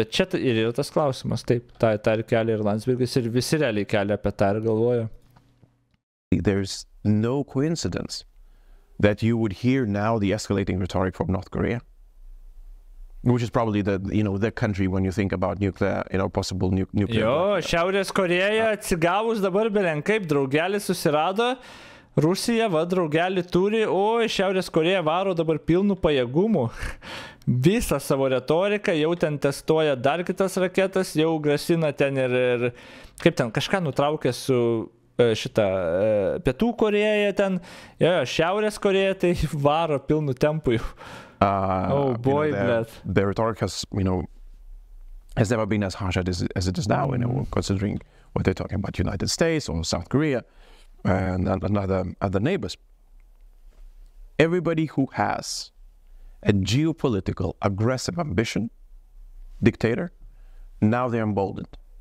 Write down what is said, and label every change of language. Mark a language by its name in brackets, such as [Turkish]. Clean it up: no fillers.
[Lithuanian] Bet čia ir yra tas klausimas, taip, ta ir kelia ir Landsbergis ir visi realiai kelia apie tą ir galvoja. [English] There's no coincidence that you would hear now the escalating rhetoric from North Korea, which is probably the, you know, the country when you think about nuclear, you know, possible nuclear. [Lithuanian] Jo, Šiaurės Korėja atsigavus dabar belenkaip draugelį susirado, Rusija va draugelį turi, o Šiaurės Korėja varo dabar pilnų pajėgumų. Visą savo retoriką, jau ten testuoja dar kitas raketas, jau grasina ten ir kaip ten, kažką nutraukė su... šitą Pietų Korėją ten, jo, Šiaurės Korėją, tai varo pilnu tempu. [English] Oh boy, you know, the rhetoric has, you know, has never been as harsh as it is now, you know, considering what they're talking about United States or South Korea and other neighbors. Everybody who has a geopolitical aggressive ambition, dictator, now they're emboldened.